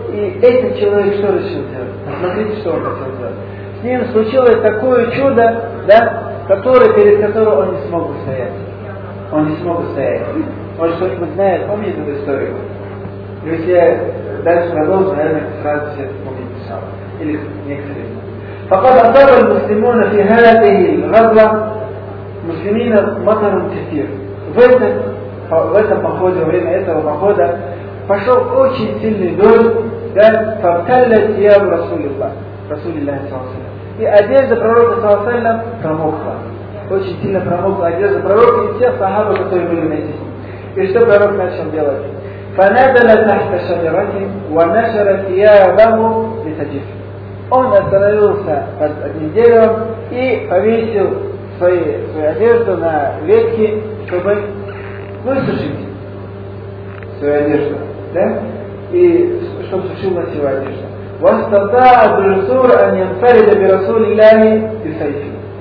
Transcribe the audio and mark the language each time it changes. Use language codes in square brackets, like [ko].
[ru] И этот человек что решил делать? Посмотрите, что он хотел делать. С ним случилось такое чудо, да, которое, перед которым он не смог бы стоять. Он не смог бы стоять. Может, кто-нибудь знает, помнит эту историю? Если я дальше продолжу, наверное, сразу все это помнить сам. Или некоторые. [ar] فقد أصاب المسلمون في هذه الغزوة مسلمين مطر كثير. [ru] В этом походе, во время этого похода, пошел очень сильный дождь, да, [ar] فابتلت ثياب رسول الله, رسول الله صلى الله عليه وسلم. [ru] И одежда пророка [ar] صلى الله عليه وسلم [ru] промокла. Очень сильно промокла одежда пророка и всех сахабов, которые были на этих. И что пророк начал делать? [ar] فنزل تحت شجرة ونشر ثيابه لتجف. [ru] Он остановился под одним деревом и повесил свою одежду на ветки, чтобы высушить свою одежду, да? И чтобы сушилась его одежда. Востата Абдурсур Аньянсарида Бирасули Ляни Исайфи.